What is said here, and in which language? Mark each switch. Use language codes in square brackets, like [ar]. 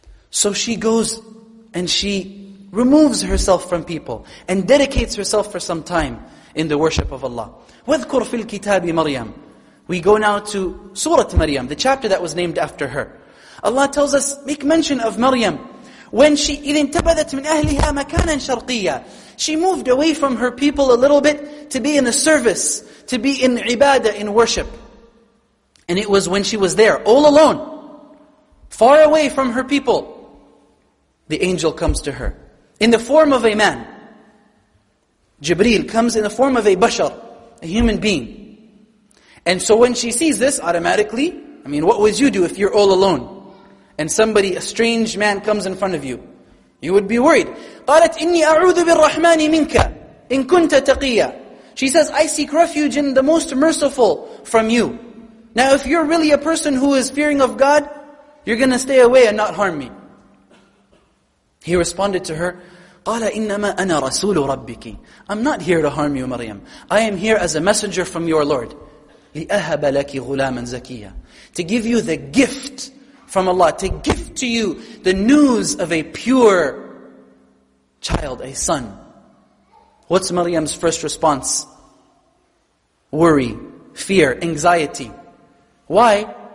[en] So she goes and she removes herself from people and dedicates herself for some time in the worship of Allah. [ar] وَذْكُرْ فِي الْكِتَابِ مَرْيَمْ. [en] We go now to Surah Maryam, the chapter that was named after her. Allah tells us, make mention of Maryam. When she, [ar] إِذِ انْتَبَذَتْ مِنْ أَهْلِهَا مَكَانًا شَرْقِيًّا. [en] She moved away from her people a little bit to be in the service, to be in ibadah, in worship. And it was when she was there, all alone, far away from her people, the angel comes to her in the form of a man. Jibreel comes in the form of a bashar, a human being. And so when she sees this, automatically, I mean, what would you do if you're all alone? And somebody, a strange man comes in front of you. You would be worried. [ar] قَالَتْ إِنِّي أَعُوذُ بِالرَّحْمَنِ مِنْكَ إِن كُنْتَ تَقِيًّا. [en] She says, I seek refuge in the most merciful from you. Now if you're really a person who is fearing of God, you're going to stay away and not harm me. He responded to her, [ar] قَالَ إِنَّمَا أَنَا رَسُولُ رَبِّكِ. [en] I'm not here to harm you, Maryam. I am here as a messenger from your Lord. [ar] لِأَهَبَ لَكِ غُلَامًا زَكِيًّا. [en] To give you the gift from Allah, to gift to you the news of a pure child, a son. What's Maryam's first response? Worry, fear, anxiety. Why?